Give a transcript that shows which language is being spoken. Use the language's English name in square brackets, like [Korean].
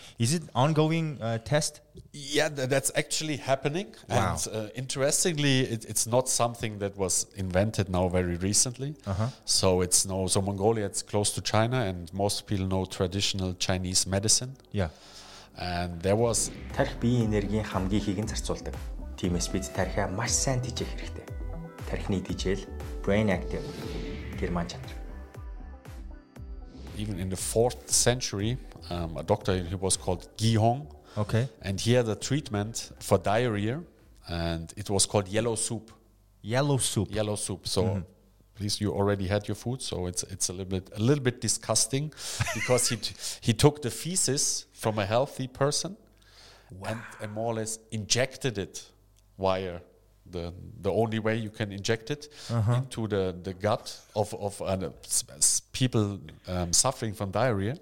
[English] Is it ongoing test? Yeah, that's actually happening. Wow. And interestingly, it's not something that was invented now very recently. So it's so Mongolia, it's close to China, and most people know traditional Chinese medicine. Yeah. And there was [Mongolian] тарх биеийн энергийн хамгийн ихийг нь зарцуулдаг. Тиймээс бид тархиа маш сайн тэжээх хэрэгтэй. Тархины тэжээл [English] brain active [Mongolian] гэр маань чанар. [English] Even in the 4th century, a doctor, he was called Gi Hong. Okay. And he had a treatment for diarrhea and it was called yellow soup. Yellow soup. So please, you already had your food, so it's a little bit disgusting because he took the feces from a healthy person and more or less injected it via the only way you can inject it into the gut of people suffering from diarrhea.